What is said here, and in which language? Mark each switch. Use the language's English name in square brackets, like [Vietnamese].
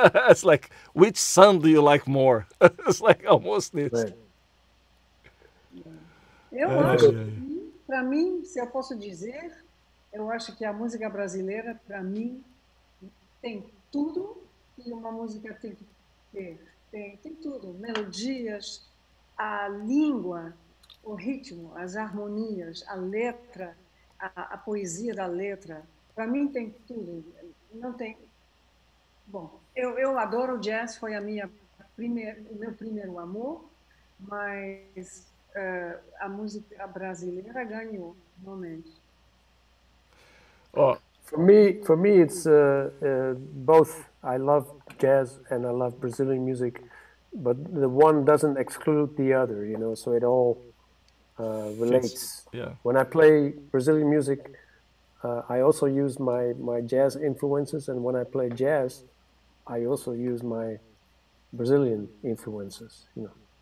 [English] It's like, which sound do you like more? It's like almost this. Right. [Portuguese] Eu acho que, para mim, se eu posso dizer, eu acho que a música brasileira, para mim, tem tudo que uma música tem que ter. Tem tudo. Melodias, a língua, o ritmo, as harmonias, a letra, a poesia da letra. Para mim tem tudo, não tem... Bom, eu adoro jazz, foi o meu primeiro amor, mas a música brasileira ganhou no momento. [English] Oh, for me it's both. I love jazz and I love Brazilian music, but the one doesn't exclude the other, you know, so it all relates. Yeah. When I play Brazilian music, I also use my jazz influences, and when I play jazz, I also use my Brazilian influences, you know.